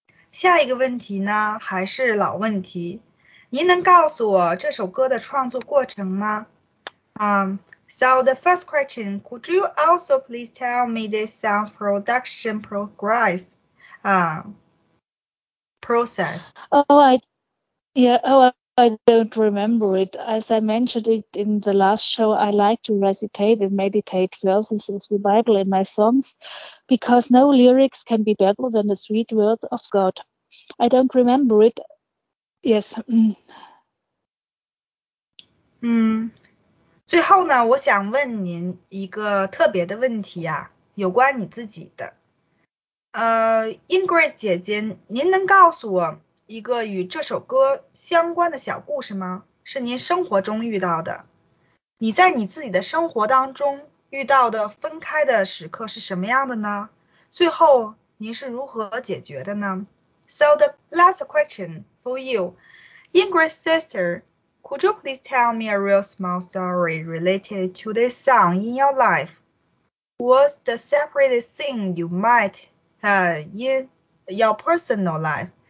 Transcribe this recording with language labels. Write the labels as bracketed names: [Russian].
[Chinese] 下一个问题呢，还是老问题。您能告诉我这首歌的创作过程吗？ [English] So the first question, could you also please tell me the song's production progress? Process. I don't remember it. As I mentioned it in the last show, I like to recitate and meditate verses of the Bible in my songs because no lyrics can be better than the sweet word of God. I don't remember it. Yes. [Chinese] 最后呢，我想问您一个特别的问题啊，有关你自己的。 Ingrid 姐姐，您能告诉我一个与这首歌相关的小故事吗？是您生活中遇到的。你在你自己的生活当中遇到的分开的时刻是什么样的呢？最后您是如何解决的呢？ [English] So the last question for you, Ingrid's sister, could you please tell me a real small story related to this song in your life? What's the separate thing you might in your personal life?